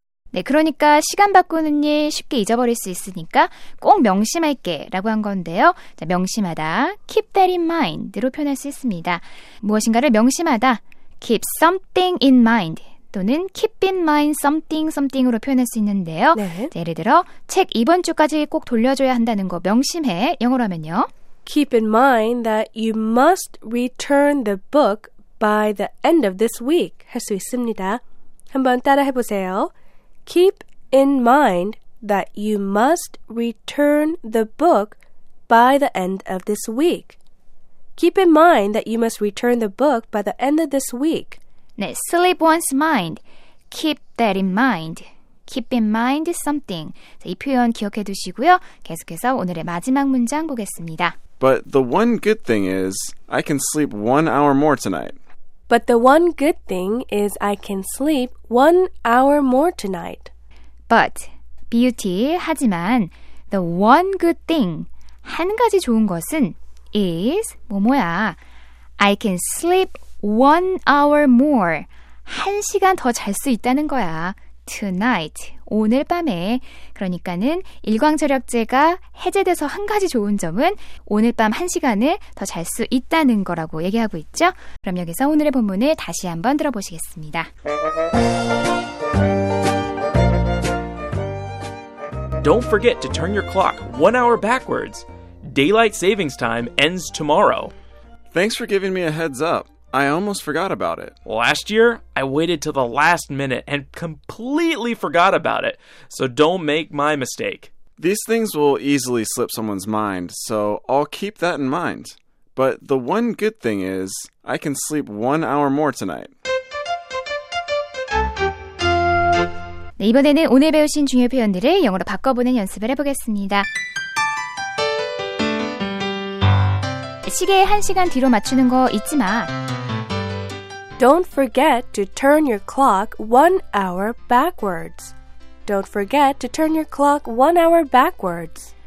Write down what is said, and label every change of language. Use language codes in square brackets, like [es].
[ko] 네, 그러니까 시간 바꾸는 일 쉽게 잊어버릴 수 있으니까 꼭 명심할게 라고 한 건데요. 자, 명심하다, [en] keep that in mind [ko] 로 표현할 수 있습니다. 무엇인가를 명심하다, [en] keep something in mind. [ko] 또는 [en] keep in mind something something [ko] 으로 표현할 수 있는데요. 네. 자, 예를 들어 책 이번 주까지 꼭 돌려줘야 한다는 거 명심해. 영어로 하면요. [en] Keep in mind that you must return the book by the end of this week. [ko] 할 수 있습니다. 한번 따라해보세요. [en] Keep in mind that you must return the book by the end of this week. Keep in mind that you must return the book by the end of this week. [ko] 네, [en] slip one's mind. Keep that in mind. Keep in mind something. [ko] 자, 이 표현 기억해 두시고요. 계속해서 오늘의 마지막 문장 보겠습니다. [en] But the one good thing is I can sleep 1 hour more tonight. But the one good thing is I can sleep 1 hour more tonight. But, B-U-T, [ko] 하지만, [en] the one good thing, [ko] 한 가지 좋은 것은 [en] is, [ko] 뭐뭐야, [en] I can sleep 1 hour more. [ko] 한 시간 더 잘 수 있다는 거야. [en] Tonight. [ko] 오늘 밤에. 그러니까는 일광절약제가 해제돼서 한 가지 좋은 점은 오늘 밤 한 시간을 더 잘 수 있다는 거라고 얘기하고 있죠. 그럼 여기서 오늘의 본문을 다시 한번 들어보시겠습니다. [en] Don't forget to turn your clock 1 hour backwards. Daylight savings time ends tomorrow. Thanks for giving me a heads up. I almost forgot about it. Last year, I waited till the last minute and completely forgot about it. So don't make my mistake. These things will easily slip someone's mind, so I'll keep that in mind. But the one good thing is, I can sleep 1 hour more tonight. [ko] 네, 이번에는 오늘 배우신 중요 표현들을 영어로 바꿔보는 연습을 해보겠습니다. 시계에 한 시간 뒤로 맞추는 거 잊지 마. [en] Don't forget to turn your clock 1 hour backwards. Don't forget to turn your clock 1 hour backwards.